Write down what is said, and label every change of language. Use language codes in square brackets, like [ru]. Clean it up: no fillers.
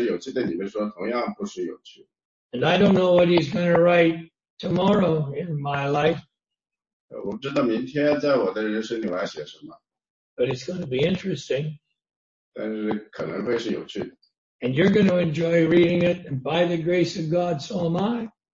[zh] 但是我想告诉你一件事,并对我来说,并不是有趣,对你们说同样不是有趣。 [en] And I don't know what he's going to write tomorrow in my life. [zh] 我不知道明天在我的人生里我要写什么。 [en] But it's going to be interesting. [zh] 但是可能会是有趣的。 [en] And you're going to enjoy reading it, and by the grace of God, so am I.